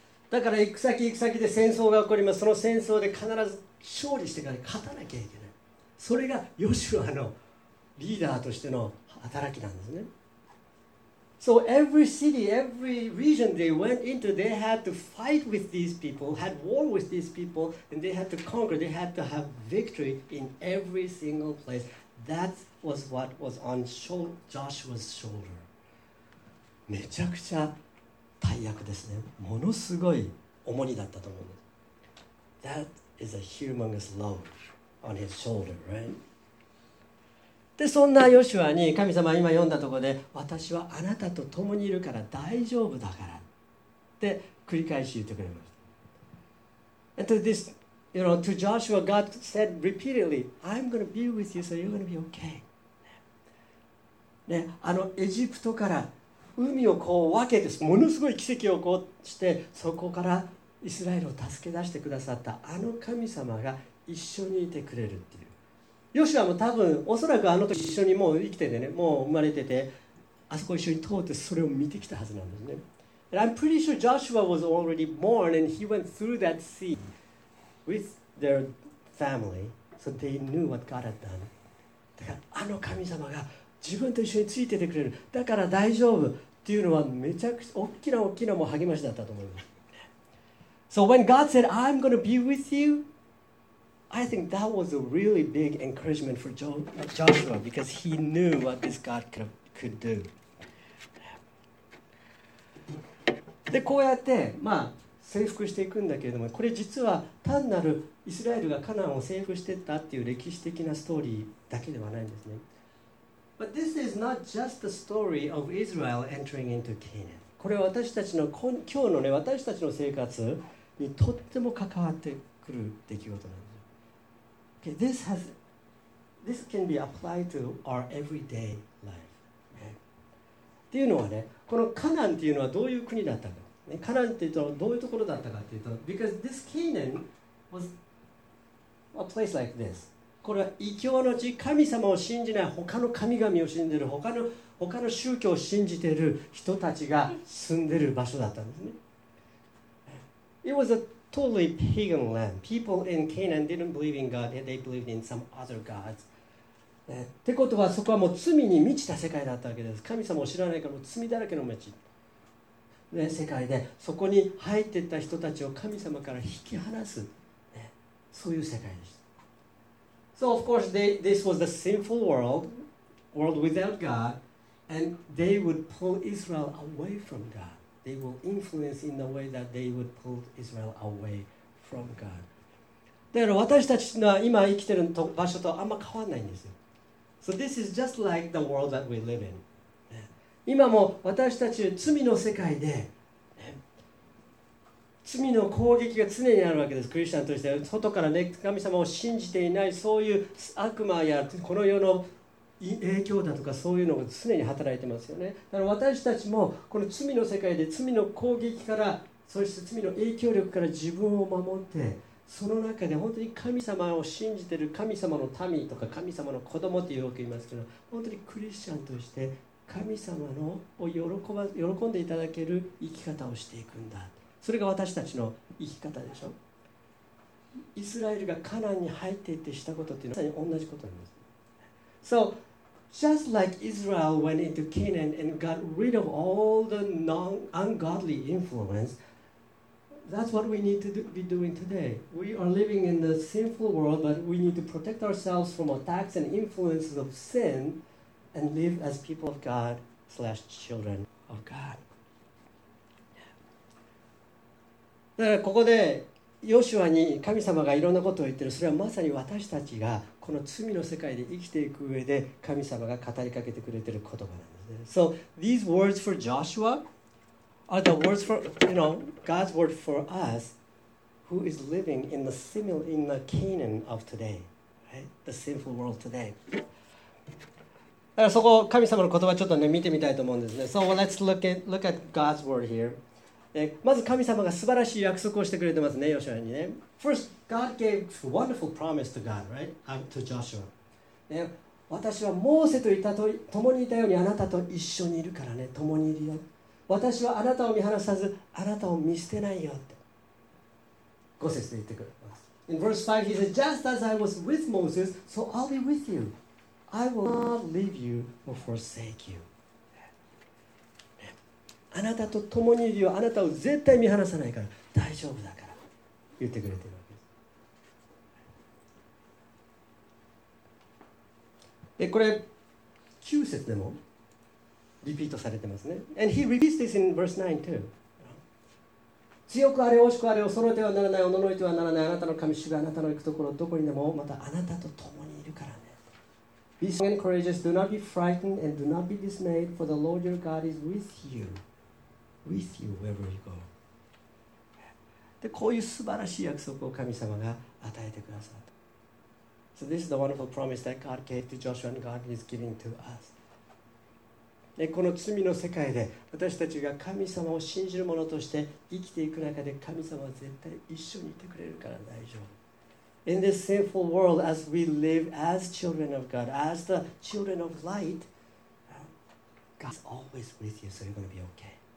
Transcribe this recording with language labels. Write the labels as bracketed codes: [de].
[ja] だから行く先行く先で戦争が起こります。その戦争で必ず勝利してから勝たなきゃいけない。それがヨシュアのリーダーとしての働きなんですね。 [en] So every city, every region they went into, they had to fight with these people, had war with these people, and they had to conquer, they had to have victory in every single place. That was what was on Joshua's shoulder. [ja] めちゃくちゃ大役ですね。ものすごい重荷だったと思うんです。 [en] That is a humongous load on his shoulder, right? [ja] でそんなヨシュアに神様は今読んだところで、私はあなたと共にいるから大丈夫だからって繰り返し言ってくれました。 [en] And to this, you know, to Joshua, God said repeatedly, I'm going to be with you, so you're going to be okay. [ja] ね、あのエジプトから海をこう分けてものすごい奇跡を起こして、そこからイスラエルを助け出してくださったあの神様が一緒にいてくれるっていう。ヨシュアも多分おそらくあの時一緒にもう生きててね、もう生まれてて、あそこ一緒に通ってそれを見てきたはずなんですね。 [en] And I'm pretty sure Joshua was already born and he went through that sea with their family, so they knew what God had done. [ja] だからあの神様が自分と一緒についててくれる、だから大丈夫っていうのはめちゃくちゃ大きな大きなもう励ましだったと思います。 [en] So when God said I'm going to be with youI think that was a really big encouragement for Joshua because he knew what this God could do. [ja] で、こうやって、まあ、征服していくんだけれども、これ実は単なるイスラエルがカナンを征服していったっていう歴史的なストーリーだけではないんですね。 [en] But this is not just the story of Israel entering into Canaan. [ja] これは私たちの今日のね、私たちの生活にとっても関わってくる出来事なんです。 [en] Okay, this can be applied to our everyday life. [ja] っていうのはね、このカナンっていうのはどういう国だったか、ね、カナンっていうとどういうところだったかっていうと、 [en] because this Canaan was a place like this. [ja] これは異教の地、神様を信じない、他の神々を信じる、他の宗教を信じている人たちが住んでる場所だったんですね。 [en] It was aTotally pagan land. People in Canaan didn't believe in God. They believed in some other gods. [ja] ってことはそこはもう罪に満ちた世界だったわけです。神様を知らないからもう罪だらけの町、ね、世界で、そこに入っていった人たちを神様から引き離す、ね、そういう世界でした。 [en] So of course this was the sinful world without God, and they would pull Israel away from God. They will influence in the way that they would pull Israel away from God. [ja] だから私たちのは今生きている場所とあんま変わらないんですよ。 [en] So this is just like the world that we live in. [ja] 今も私たち罪の世界で、罪の攻撃が常にあるわけです。クリスチャンとして外から、ね、神様を信じていない、そういう悪魔やこの世の影響だとかそういうのが常に働いてますよね。だから私たちもこの罪の世界で罪の攻撃から、そして罪の影響力から自分を守って、その中で本当に神様を信じている神様の民とか神様の子供ってよく言いますけど、本当にクリスチャンとして神様のを喜んでいただける生き方をしていくんだ。それが私たちの生き方でしょ。イスラエルがカナンに入っていってしたことっていうのはまさに同じことなんです。 [en] So, just like Israel went into Canaan and got rid of all the ungodly influence, that's what we need to be doing today. We are living in the sinful world, but we need to protect ourselves from attacks and influences of sin and live as people of God / children of God. [ja] だからここでヨシュアに神様がいろんなことを言ってる。それはまさに私たちがこの罪の世界で生きていく上で神様が語りかけてくれてる言葉なんですね。 [en] So these words for Joshua are the words for, you know, God's word for us who is living in the Canaan of today, right? The sinful world today. [ja] だからそこ神様の言葉ちょっとね見てみたいと思うんですね。 [en] So let's look at God's word here. [ja] まず神様が素晴らしい約束をしてくれてますね、ヨシュアにね。 [en] First, God gave a wonderful promise to God, right? To Joshua.、 [ja] ね、私はモーセといたと共にいたようにあなたと一緒にいるからね、共にいるよ。私はあなたを見放さず、あなたを見捨てないよって。 5節で言ってくれます。 [en] In verse 5, he said, Just as I was with Moses, so I'll be with you. I will not leave you or forsake you. [ja] あなたと共にいるよ、あなたを絶対見放さないから、大丈夫だから言ってくれてるわけです。でこれ9節でもリピートされてますね。 [en] And he repeats this in verse 9 too. [ja] 強くあれ惜しくあれ恐れてはならない、おののいてはならない、あなたの神主があなたの行くところどこにでも、またあなたと共にいるからね。 [en] Be strong and courageous, do not be frightened and do not be dismayed, for the Lord your God is with youWith you wherever you go. [ja] でこういう素晴らしい約束を神様が与えてくださった。 [en] So this is the wonderful promise that God gave to Joshua and God is giving to us. [ja] でこの罪の世界で私たちが神様を信じる者として生きていく中で、神様は絶対一緒にいてくれるから大丈夫。 [en] In this sinful world, as we live as children of God, as the children of light, God is always with you, so you're going to be okay.